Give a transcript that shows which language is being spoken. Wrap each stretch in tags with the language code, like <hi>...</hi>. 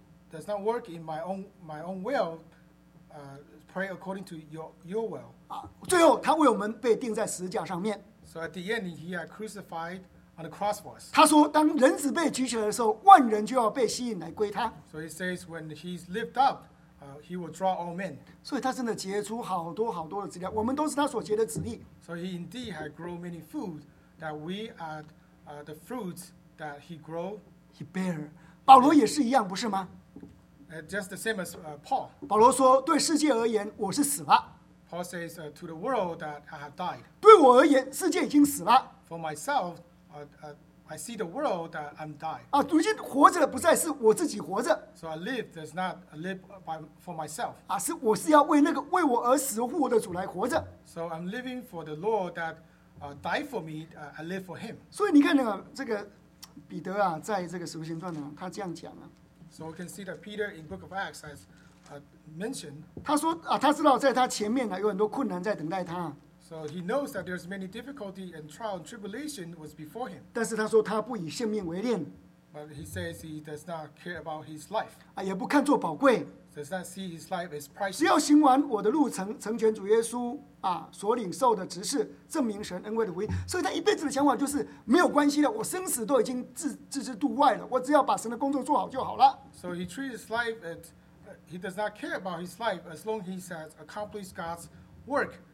<en>does not work in my own will, pray according to your will.</en> <zh>最后他为我们被钉在十字架上面。</zh> <en>So at the end, he got crucified on the cross for us.</en> <zh>他说，当人子被举起来的时候，万人就要被吸引来归他。</zh> <en>So he says, when he's lifted up, he will draw all men.</en> <zh>所以他真的结出好多好多的子粒，我们都是他所结的子粒。</zh> <en>So he indeed had grown many food that we are, the fruits that he grow. He bear.</en> <zh>保罗也是一样，不是吗？</zh> <en>Just the same as Paul.</en> <zh>保罗说，对世界而言，我是死了。</zh> <en>Paul says, to the world that I have died.</en> <zh>对我而言，世界已经死了。</zh> <en>For myself, I see the world that I'm dying.</en> <zh>啊，如今活着的不再是我自己活着。</zh> <en>So I live does not live by for myself.</en> <zh>啊，是我是要为那个为我而死复活的主来活着。</zh> <en>So I'm living for the Lord that died for me. I live for Him.</en> <zh>所以你看那个这个彼得啊，在这个使徒行传呢，他这样讲啊。</zh> <en>So we can see that Peter in Book of Acts has mentioned.</en> <zh>他说啊，他知道在他前面呢有很多困难在等待他。</zh> <en>So he knows that there's many difficulty and trial and tribulation was before him.</en> <zh>但是他说他不以性命为念。</zh> <en>But he says he does not care about his life.</en> <zh>啊，也不看作宝贵。</zh> <en>Does not see his life as precious.</en> <zh>只要行完我的路程，成全主耶稣啊所领受的职事，证明神恩惠的福音。所以他一辈子的想法就是没有关系了，我生死都已经置之度外了，我只要把神的工作做好就好了。</zh> <en>So he treats his life as he does not care about his life as long he has accomplished God's work.</en>